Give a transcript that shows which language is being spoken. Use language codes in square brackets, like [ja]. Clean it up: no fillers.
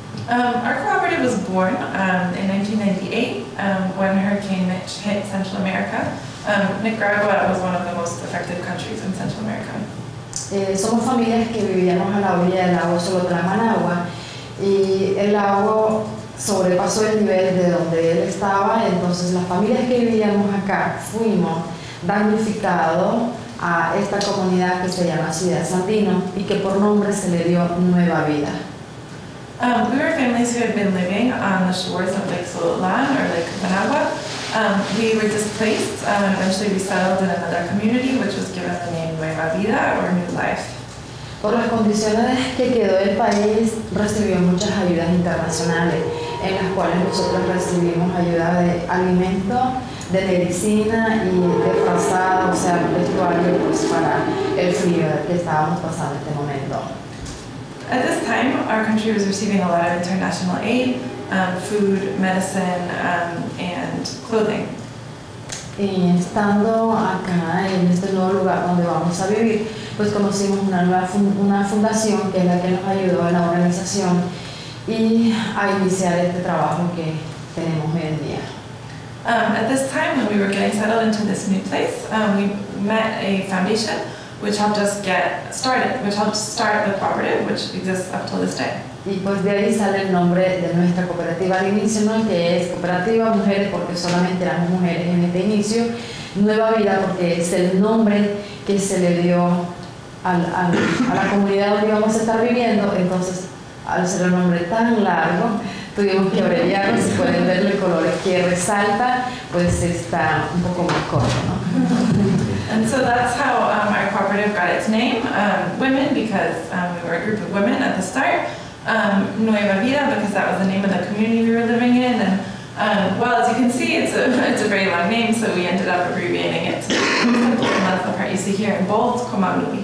[en] Our cooperative was born in 1998 when Hurricane Mitch hit Central America. Nicaragua was one of the most affected countries in Central America. [es] Somos familias que vivíamos a la orilla del lago solo de la Managua y el lago sobrepasó el nivel de donde él estaba, entonces las familias que vivíamos acá fuimos damnificado a esta comunidad que se llama Ciudad Sandino y que por nombre se le dio Nueva Vida. [en] We were families who had been living on the shores of Lake Sololan or Lake Managua, We were displaced and eventually we settled in another community, which was given the name Nueva Vida, or New Life. [es] Por las condiciones que quedó el país, recibió muchas ayudas internacionales, en las cuales nosotros recibimos ayuda de alimento, de medicina y de frazada, o sea, vestuario pues, para el frío que estábamos pasando en este momento. [en] At this time, our country was receiving a lot of international aid, food, medicine, and clothing. [es] Y estando acá, en este nuevo lugar donde vamos a vivir, pues conocimos una nueva fundación que es la que nos ayudó en la organización y a iniciar este trabajo que tenemos hoy en día. [en] At this time, when we were getting settled into this new place, we met a foundation which helped us get started, which helped start the cooperative, which exists up till this day. [es] Y pues de ahí sale el nombre de nuestra cooperativa al inicio, ¿no? Que es Cooperativa Mujeres, porque solamente éramos mujeres en este inicio. Nueva Vida, porque es el nombre que se le dio a la comunidad donde íbamos a estar viviendo. Entonces, al ser un nombre tan largo, tuvimos que abreviarlo. Si pueden ver los colores que resalta, pues está un poco más corto, ¿no? [en] And so that's how our cooperative got its name, Women, because we were a group of women at the start. Nueva Vida, because that was the name of the community we were living in. And well, as you can see, it's a very long name, so we ended up abbreviating it. And that's the part you see here in bold, Comanui.